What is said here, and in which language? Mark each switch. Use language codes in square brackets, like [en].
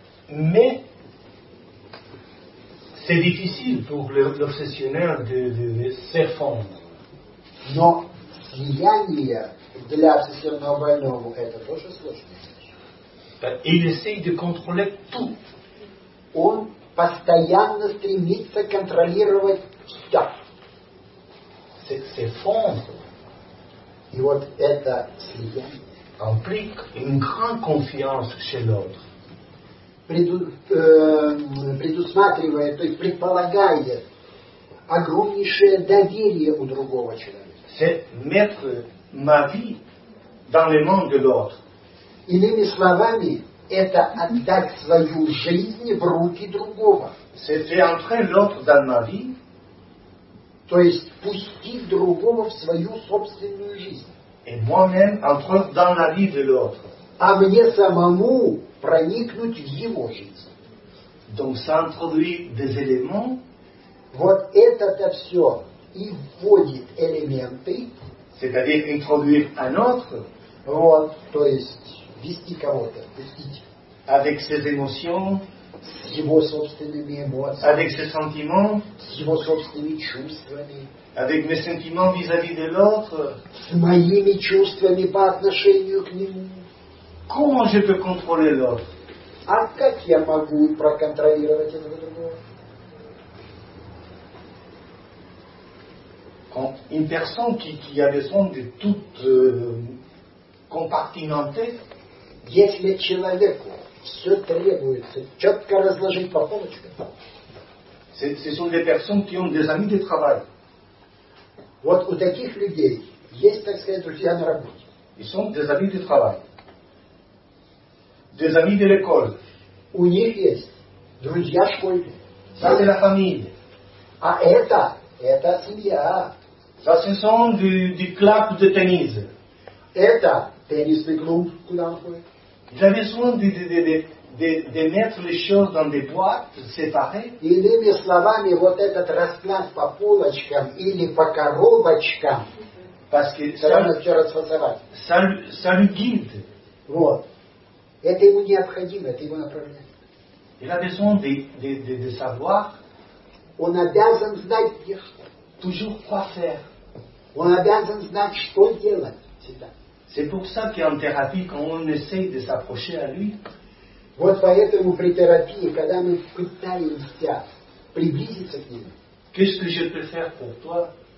[fr] Mais c'est difficile pour l'obsessionnel de s'effondrer. Non, [ru] слияние для обсессионного больного это тоже сложно. [fr] Il essaye de contrôler tout. [ru] Он постоянно стремится контролировать все. [fr] C'est s'effondrer. [ru] И вот это слияние [fr] implique une grande confiance chez l'autre. [ru] Предусматривает, то есть предполагает огромнейшее доверие у другого человека. [fr] C'est mettre ma vie dans les mains de l'autre. [ru] Иными словами, это отдать свою жизнь в руки другого. [fr] C'est faire entrer l'autre dans ma vie. [ru] То есть пустить другого в свою собственную жизнь. [fr] Et moi-même entrer dans la vie de l'autre. [ru] А мне самому проникнуть в его жизнь. [fr] Donc ça introduit des éléments. [ru] Вот это-то все и вводит элементы. [fr] C'est-à-dire introduire un autre. [ru] Вот, то есть вести кого-то, пустить. [fr] Avec ses émotions. [ru] С его собственными эмоциями. [fr] Avec ses sentiments. [ru] С его собственными чувствами. [fr] Avec mes sentiments vis-à-vis de l'autre. [ru] С моими чувствами по отношению к нему. [fr] Comment je peux contrôler l'autre? [ru] А как я могу проконтролировать этого другого? [fr] Une personne qui a besoin de tout compartimenter. [ru] Если человеку все требуется четко разложить по полочкам. [fr] Ce sont des personnes qui ont des amis de travail. [ru] Вот у таких людей есть, так сказать, друзья на работе. [fr] Ils sont des amis de travail. Des amis de l'école. [ru] У них есть друзья школьные. [fr] Ça, c'est la famille. [ru] А это семья. [fr] Ça, ce sont du club de tennis. [ru] Это теннисный клуб, куда он ходит. [fr] Il a besoin de mettre les choses dans des boîtes séparées. [ru] Иными словами, вот этот расклад по полочкам или по коробочкам. [fr] Parce que ça lui guide. [ru] Вот. Это ему необходимо, это его направление. [fr] Il a besoin de savoir. [ru] Он обязан знать, где что. [fr] Toujours quoi faire. [ru] Он обязан знать, что делать. Всегда. [fr] C'est pour ça qu'en thérapie, quand on essaye de s'approcher à lui, [ru] вот поэтому при терапии, когда мы пытаемся приблизиться к нему, [fr] qu'est-ce que je peux faire pour toi?